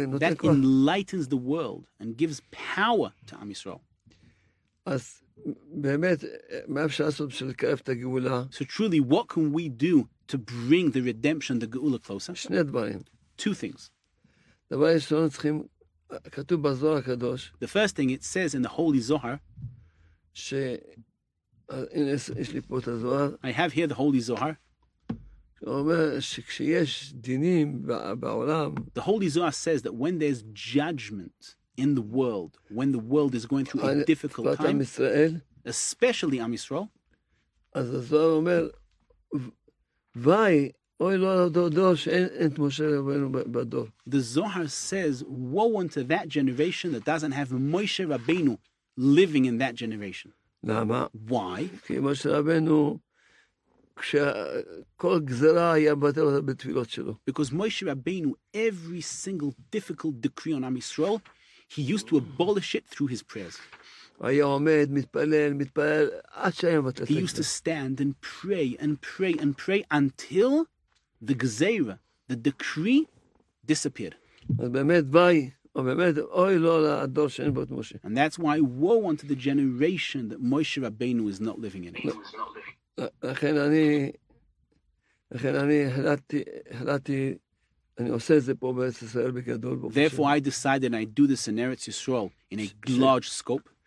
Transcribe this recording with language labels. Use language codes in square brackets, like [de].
[en] that enlightens the world and gives power to Am Yisrael. [he] אז באמת, מה אפשר לעשות בשביל לקרב את הגאולה? [en] So truly, what can we do to bring the redemption, the גאולה, closer? [he] שני דברים. [en] Two things. [he] דבר ראשון, צריכים, כתוב בזוהר הקדוש. [en] The first thing it says in the Holy Zohar. [he] ש... הנה, יש לי פה את הזוהר. [en] I have here the Holy Zohar. [he] הוא אומר שכשיש דינים בעולם, [en] the Holy Zohar says that when there's judgment in the world, when the world is going through a difficult time, Israel, especially Am Yisrael, [he] אז הזוהר אומר, וואי, אוי לו לדור שאין את משה רבנו בדור. [en] The Zohar says, woe unto that generation that doesn't have Moshe Rabbeinu living in that generation. [he] למה? [en] Why? [he] כי משה רבנו, כשכל גזרה היה בטל אותה בתפילות שלו. [en] Because Moshe Rabbeinu, every single difficult decree on Am Yisrael, he used to abolish it through his prayers. [he] היה עומד, מתפלל, מתפלל, עד שהיה בטל את זה. [en] He used to stand and pray and pray and pray until the gzera, the decree, disappeared. [he] אז באמת, ביי. או באמת, אוי לו לדור שאין בו את משה. [en] And that's why woe unto the generation that Moshe Rabbeinu is not living in. [he] לכן אני החלטתי, אני עושה את זה פה בארץ ישראל בגדול. [en] Therefore I decided I do this in Eretz Yisrael in a large scope.